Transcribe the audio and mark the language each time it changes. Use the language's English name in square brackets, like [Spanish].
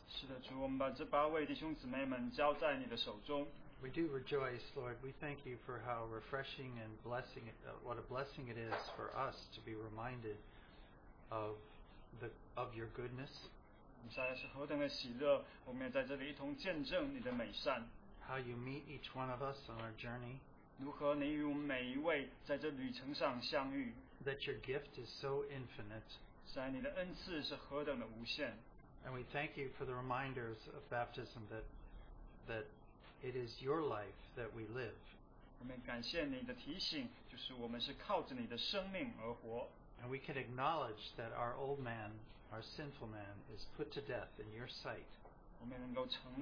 [Chinese] 是的，主，我们把这八位弟兄姊妹们交在你的手中。 [English] We do rejoice, Lord. We thank you for how refreshing and blessing it, what a blessing it is for us to be reminded of the of your goodness. [Chinese] 实在是何等的喜乐，我们也在这里一同见证你的美善。 [English] How you meet each one of us on our journey. [Chinese] 如何你与每一位在这旅程上相遇。 [English] That your gift is so infinite. [Chinese] 实在你的恩赐是何等的无限。 [English] And we thank you for the reminders of baptism that that. It is your life that we live. [Chinese] 我们感谢你的提醒, 就是我们是靠着你的生命而活。 [English] And we can acknowledge that our old man, our sinful man, is put to death in your sight.